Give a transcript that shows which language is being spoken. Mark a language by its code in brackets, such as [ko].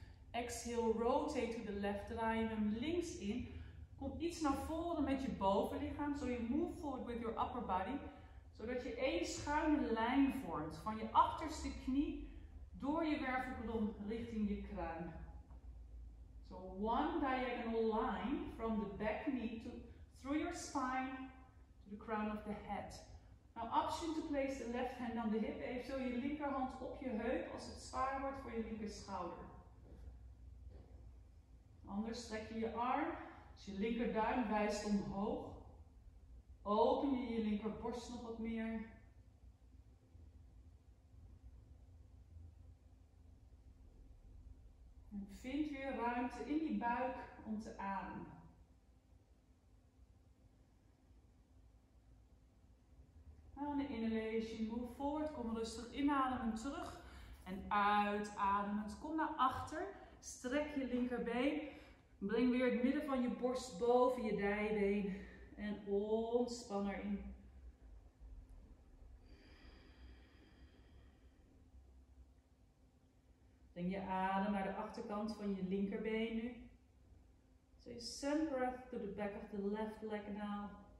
[en] Exhale, rotate to the left, [nl] draai hem links in. Kom iets naar voren met je bovenlichaam, [en] so you move forward with your upper body. [nl] Zodat je één schuine lijn vormt van je achterste knie door je wervelkolom richting je kruin. [en] So one diagonal line from the back knee to through your spine to the crown of the head. Now option to place the left hand on the hip, [nl] eventueel je linkerhand op je heup als het zwaar wordt voor je linker schouder. Anders strek je je arm, dus je linkerduim wijst omhoog. Open je je linkerborst nog wat meer. En vind weer ruimte in je buik om te ademen. Nou, [en] on the inhalation, move forward. [nl] Kom rustig inademen terug. En uitademen. Kom naar achter. Strek je linkerbeen. Breng weer het midden van je borst boven je dijbeen. En ontspan erin. Breng je adem naar de achterkant van je linkerbeen nu. [en] So you send breath to the back of the left leg now.